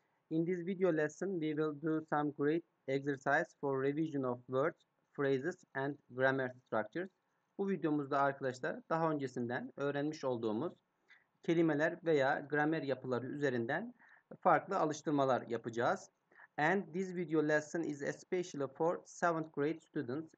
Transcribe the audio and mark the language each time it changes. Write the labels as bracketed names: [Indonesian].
[English] In this video lesson, we will do some great exercise for revision of words, phrases and grammar structures. [Turkish] Bu videomuzda arkadaşlar daha öncesinden öğrenmiş olduğumuz kelimeler veya gramer yapıları üzerinden farklı alıştırmalar yapacağız. [English] And this video lesson is especially for 7th grade students.